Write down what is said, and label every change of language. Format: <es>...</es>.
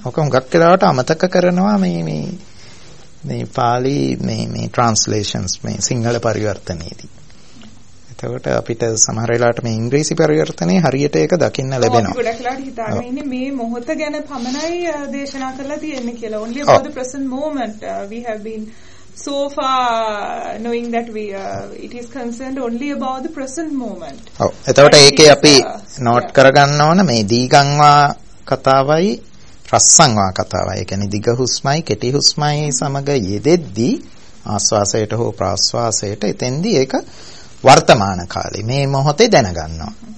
<si>ඔක හුඟක් වෙලාවට අමතක කරනවා මේ පාලි මේ ට්‍රාන්ස්ලේෂන්ස් මේ සිංහල පරිවර්තනයේදී. එතකොට අපිට සමහර වෙලාවට මේ ඉංග්‍රීසි පරිවර්තනයේ හරියට ඒක දකින්න ලැබෙනවා. ගොඩක් වෙලාවට හිතාගෙන ඉන්නේ මේ මොහොත ගැන පමණයි දේශනා කරලා තියෙන්නේ කියලා.</si> <en>Only about the present moment we have been so far knowing that we it is concerned only about the present moment.</en> <si>ඔව්. එතකොට ඒකේ අපි නෝට් කරගන්න ඕන මේ දීගංවා කතාවයි රස්සංවා කතාවයි. ඒ කියන්නේ දිග හුස්මයි කෙටි හුස්මයි සමග යෙදෙද්දි ආස්වාසයට හෝ ප්‍රාස්වාසයට එතෙන්දි ඒක වර්තමාන කාලේ මේ මොහොතේ දැනගන්නවා.</si>